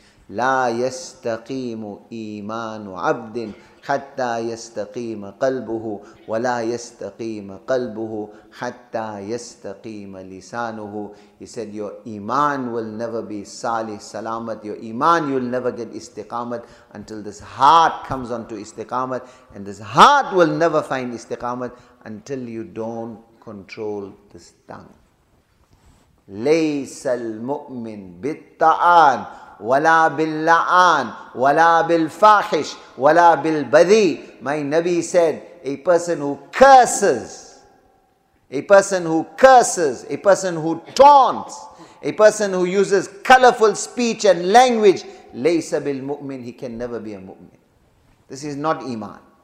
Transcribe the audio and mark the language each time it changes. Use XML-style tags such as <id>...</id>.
<ar>لا يستقيم إيمان عبد حتى يستقيم قلبه ولا يستقيم قلبه حتى يستقيم لسانه.</ar> <en>He said your iman will never be salih salamat. Your iman, you'll never get istiqamat until this heart comes onto istiqamat, and this heart will never find istiqamat until you don't control this tongue.</en> <ar>ليس المؤمن بالطعان ولا باللعان ولا بالفاحش ولا بالبذي.</ar> <en>My Nabi said, a person who curses, a person who curses, a person who taunts, a person who uses colorful speech and language,</en> <ar>ليس بالمؤمن,</ar> <en>he can never be a mu'min. This is not iman.</en>